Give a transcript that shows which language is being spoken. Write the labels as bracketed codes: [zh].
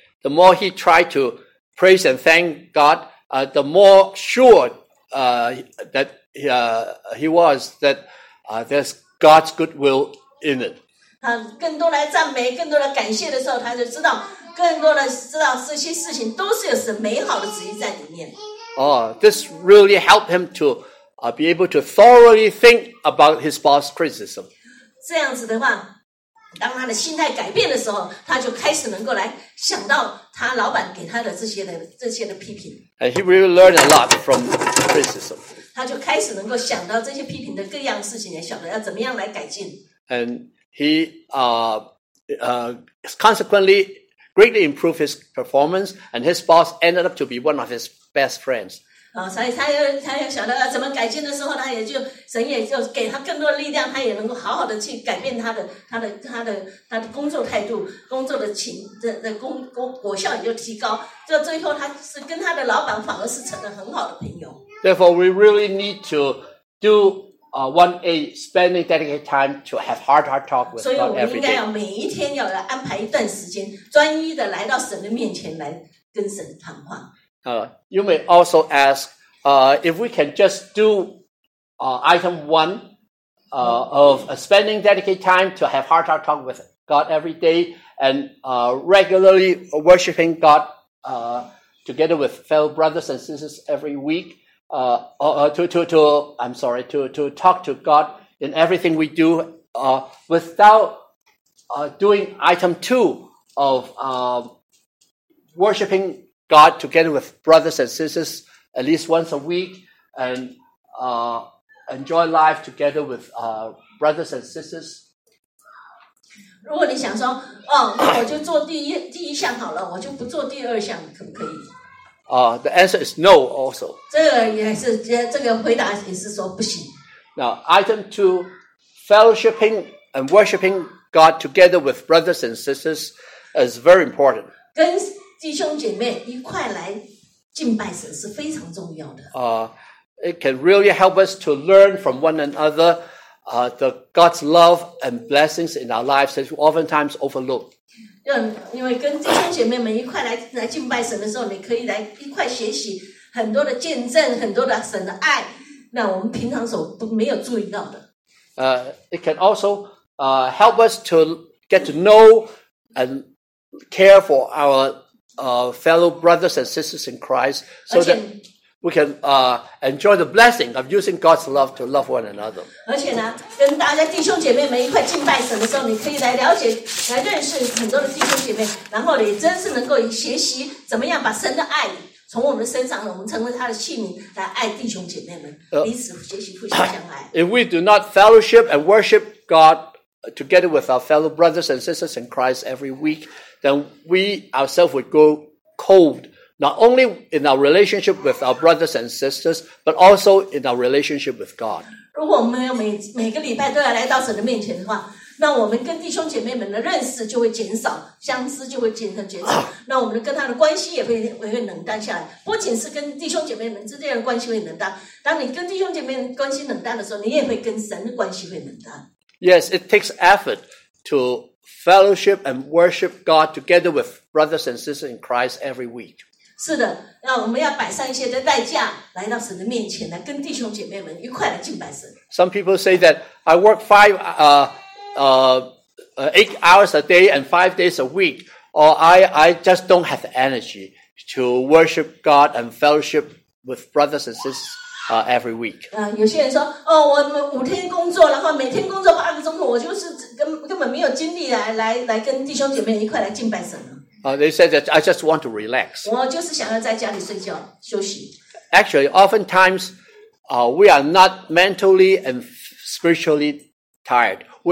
[en] The more he tried to praise and thank God. The more sure that he was that there's God's good will in it. [zh] 他更多来赞美，更多来感谢的时候，他就知道，更多的知道这些事情都是有神美好的旨意在里面。 [en] Oh, this really helped him to be able to thoroughly think about his boss criticism. [zh] 这样子的话，当他的心态改变的时候，他就开始能够来想到他老板给他的这些的批评。 [en] And he really learned a lot from criticism. [zh] 他就开始能够想到这些批评的各样事情，也晓得要怎么样来改进。 [en] And he consequently greatly improved his performance, and his boss ended up to be one of his best friends. [zh] 所以他又晓得怎么改进的时候，他也就神也就给他更多的力量，他也能够好好的去改变他的工作态度，工作的果效也就提高。就最后他是跟他的老板反而是成了很好的朋友。 [en] Therefore, we really need to do one spending dedicated time to have heart-to-heart talk with God every day. [zh] 所以我们应该要每一天要来安排一段时间，专一的来到神的面前来跟神谈话。 [en] You may also ask, if we can just do item one of spending dedicated time to have heart-to-heart talk with God every day and regularly worshiping God together with fellow brothers and sisters every week. To talk to God in everything we do without doing item two of worshiping God together with brothers and sisters at least once a week and enjoy life together with brothers and sisters. [zh] 如果你想说，我就做第一项好了，我就不做第二项，可不可以？ [en] The answer is no. Also, [zh] 这个回答也是说不行。 [en] Now, item two, fellowshipping and worshiping God together with brothers and sisters is very important. [zh] 跟弟兄姐妹一块来敬拜神是非常重要的。 [en] It can really help us to learn from one another, the God's love and blessings in our lives that we oftentimes overlook. [zh] 因为跟弟兄姐妹们一块来敬拜神的时候，你可以来一块学习很多的见证，很多的神的爱，那我们平常所都没有注意到的。 [en] It can also help us to get to know and care for our fellow brothers and sisters in Christ, so that we can enjoy the blessing of using God's love to love one another. [zh] 而且呢，跟大家弟兄姐妹们一块敬拜神的时候，你可以来了解、来认识很多的弟兄姐妹，然后也真是能够学习怎么样把神的爱从我们身上，我们成为他的器皿来爱弟兄姐妹们，彼此学习互相相爱。 [en] If we do not fellowship and worship God together with our fellow brothers and sisters in Christ every week, then we ourselves would go cold not only in our relationship with our brothers and sisters, but also in our relationship with God. [zh] 如果我们每个礼拜都要来到神的面前的话，那我们跟弟兄姐妹们的认识就会减少，相知就会减少，那我们跟他的关系也会冷淡下来。不仅是跟弟兄姐妹们之间的关系会冷淡，当你跟弟兄姐妹关系冷淡的时候，你也会跟神的关系会冷淡。 [en] Yes, it takes effort to fellowship and worship God together with brothers and sisters in Christ every week. [zh] 是的，那我们要摆上一些的代价来到神的面前，来跟弟兄姐妹们一块来敬拜神。 [en] Some people say that I work eight hours a day and 5 days a week, or I just don't have the energy to worship God and fellowship with brothers and sisters every week. [zh] 有些人说，哦，我五天工作，然后每天工作八个钟头，我就是根本没有精力来跟弟兄姐妹一块来敬拜神 [en] 了。They said that I just want to relax. [zh] 我就是想要在家里睡觉休息。 [en] Actually, oftentimes, we are not mentally and spiritually tired.